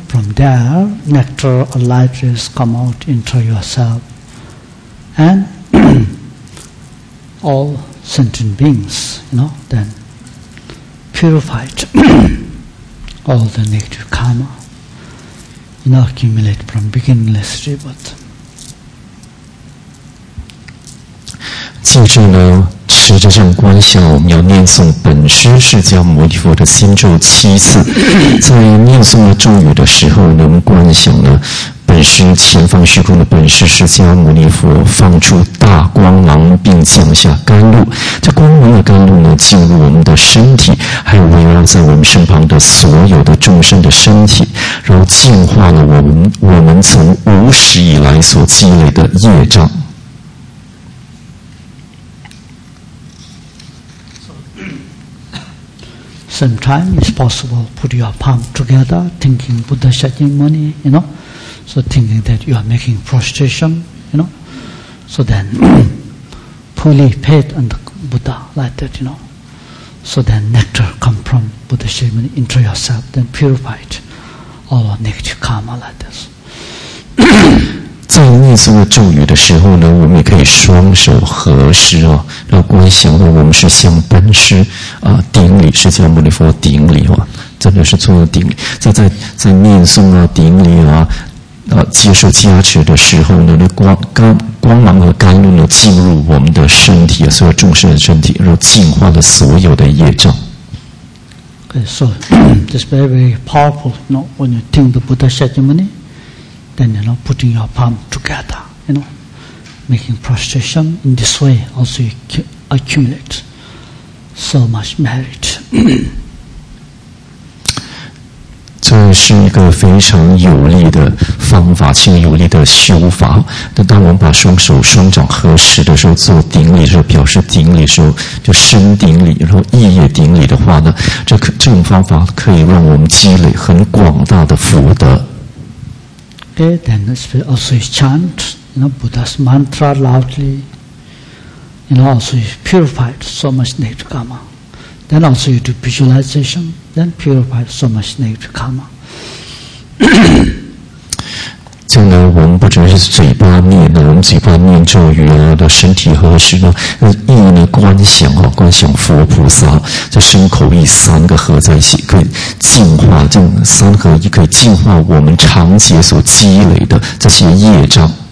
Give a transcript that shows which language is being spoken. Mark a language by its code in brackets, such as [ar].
[en] From there, nectar or light rays come out into yourself, and all sentient beings, then purified all the negative karma, accumulate from beginningless rebirth. [zh] 接着呢，持着这种观想，我们要念诵本师释迦牟尼佛的心咒7次。在念诵的咒语的时候，能观想呢，本师前方虚空的本师释迦牟尼佛放出大光芒，并降下甘露。这光芒的甘露呢，进入我们的身体，还有围绕在我们身旁的所有的众生的身体，然后净化了我们从无始以来所积累的业障。 [en] Sometime it's possible put your palm together thinking Buddha Shakyamuni, so thinking that you are making prostration, so then fully paid on the Buddha like that, so then nectar come from Buddha Shakyamuni into yourself, then purified all our negative karma like this. [zh] 在念诵咒语的时候呢，我们也可以双手合十啊，然后观想呢，我们是向本师啊顶礼，释迦牟尼佛顶礼啊，真的是做了顶礼。在念诵啊顶礼啊，接受加持的时候呢，那光芒和甘露呢进入我们的身体啊，所有众生的身体，然后净化了所有的业障。 [en] Okay, so this is very, very powerful. When you think the Buddha Shakyamuni. Then, putting your palm together, making prostration. In this way, also you accumulate so much merit. [zh] 这是一个非常有力的方法，其实有力的修法。那当我们把双手双掌合十的时候，做顶礼的时候，表示顶礼的时候，就身顶礼，然后意也顶礼的话呢，这种方法可以让我们积累很广大的福德。 [en] Okay, then also you chant Buddha's mantra loudly And also you purified so much negative karma. Then also you do visualization, then purified so much negative karma. [zh] 就呢，我们不只是嘴巴念呢，我们嘴巴念咒语啊，的身体合十呢，意呢观想啊，观想佛菩萨，这身口意三个合在一起，可以净化，这三合一可以净化我们长劫所积累的这些业障。